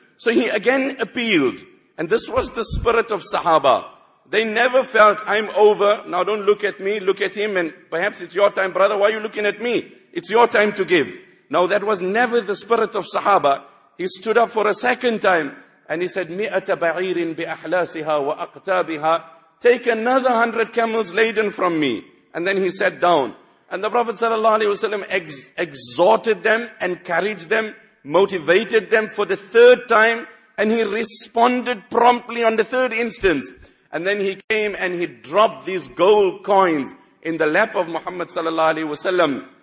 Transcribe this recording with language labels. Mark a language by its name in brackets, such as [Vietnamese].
[English] So he again appealed. And this was the spirit of Sahaba. They never felt, I'm over. Now don't look at me, look at him. And perhaps it's your time, brother. Why are you looking at me? It's your time to give. Now that was never the spirit of Sahaba. He stood up for a second time. And he said, [Arabic] مِئَةَ بَعِيرٍ بِأَحْلَاسِهَا وَأَقْتَابِهَا. [English] Take another 100 camels laden from me. And then he sat down. And the Prophet sallallahu alayhi wa sallam exhorted them, encouraged them, motivated them for the third time, and he responded promptly on the third instance. And then he came and he dropped these gold coins in the lap of Muhammad sallallahu alaihi wasallam.